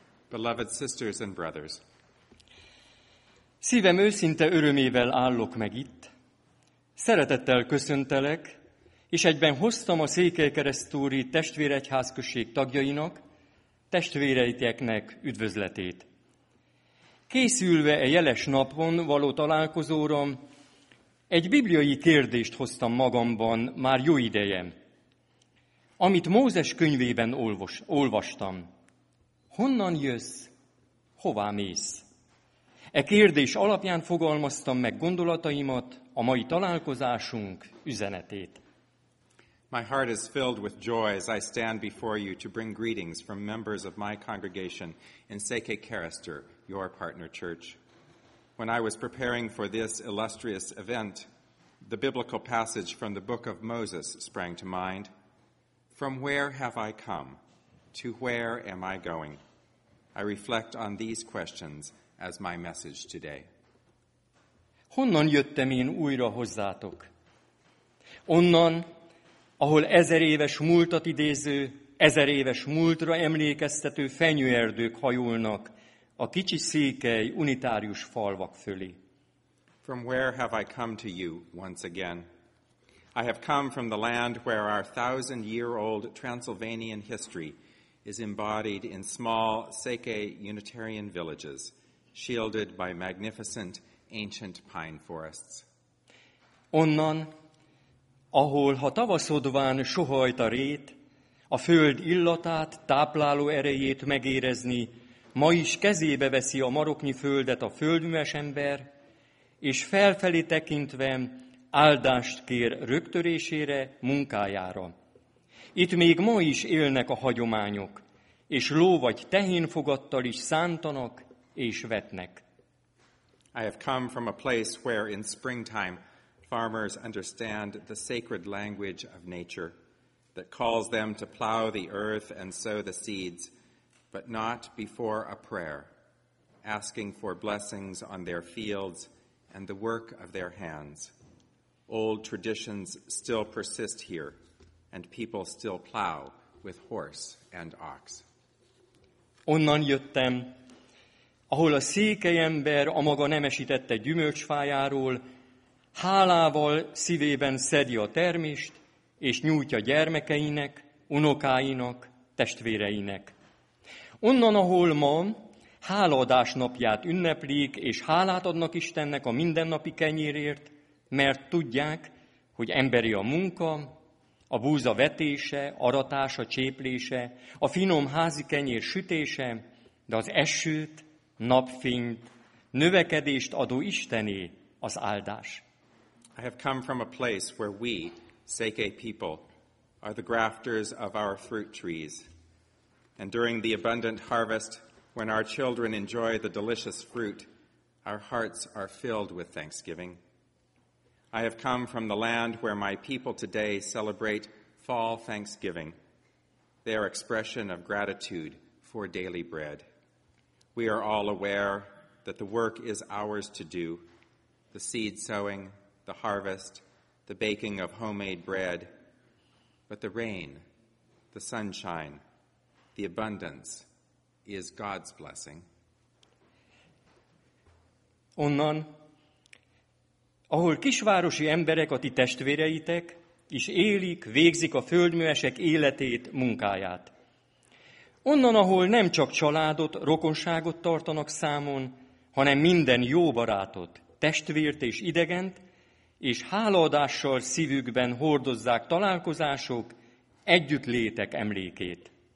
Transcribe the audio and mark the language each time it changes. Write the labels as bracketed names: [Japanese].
[English] Beloved sisters and brothers. [Hungarian] Szívem őszinte örömével állok meg itt. Szeretettel köszöntelek, és egyben hoztam a Székelykeresztúri testvéregyházközség tagjainak, testvéreiteknek üdvözletét. Készülve a jeles napon való találkozóra, egy bibliai kérdést hoztam magamban már jó ideje, amit Mózes könyvében olvastam. Honnan jössz, hová mész? E kérdés alapján fogalmaztam meg gondolataimat, a mai találkozásunk üzenetét. [English] My heart is filled with joy as I stand before you to bring greetings from members of my congregation in Székelykeresztúr, your partner church. When I was preparing for this illustrious event, the biblical passage from the book of Moses sprang to mind. From where have I come? To where am I going? I reflect on these questions as my message today. [Hungarian] Honnan jöttem én újra hozzátok? Onnan, ahol ezer éves múltat idéző, ezer éves múltra emlékeztető fenyőerdők hajolnak a kicsi székely unitárius falvak fölé. [English] From where have I come to you once again? I have come from the land where our thousand-year-old Transylvanian history is embodied in small Székely Unitarian villages, shielded by magnificent ancient pine forests. [Hungarian] Onnan, ahol ha tavaszodván sohajt a rét, a föld illatát, tápláló erejét megérezni, ma is kezébe veszi a maroknyi földet a földműves ember, és felfelé tekintve áldást kér rögtörésére, munkájára. Itt még ma is élnek a hagyományok, és ló vagy tehén fogattal is szántanak és vetnek. [English] I have come from a place where in springtime farmers understand the sacred language of nature that calls them to plow the earth and sow the seeds, but not before a prayer, asking for blessings on their fields and the work of their hands. Old traditions still persist here, and people still plow with horse and ox. [Hungarian] Onnan jöttem, ahol a székely ember a maga nemesítette gyümölcsfájáról, hálával szívében szedi a termést, és nyújtja gyermekeinek, unokáinak, testvéreinek. Onnan, ahol ma hálaadás napját ünneplik, és hálát adnak Istennek a mindennapi kenyérért, mert tudják, hogy emberi a munka, a búza vetése, aratása, cséplése, a finom házi kenyér sütése, de az esőt, napfényt, növekedést adó Istené az áldás. [English] I have come from a place where we, Székely people, are the grafters of our fruit trees. And during the abundant harvest, when our children enjoy the delicious fruit, our hearts are filled with thanksgiving. I have come from the land where my people today celebrate fall Thanksgiving, their expression of gratitude for daily bread. We are all aware that the work is ours to do, the seed sowing, the harvest, the baking of homemade bread, but the rain, the sunshine, the abundance is God's blessing. [Hungarian] Onnan, ahol kisvárosi emberek a ti testvéreitek, és élik, végzik a földművesek életét, munkáját. Onnan, ahol nem csak családot, rokonságot tartanak számon, hanem minden jó barátot, testvért és idegent, és hálaadással szívükben hordozzák találkozások együttlétek emlékét.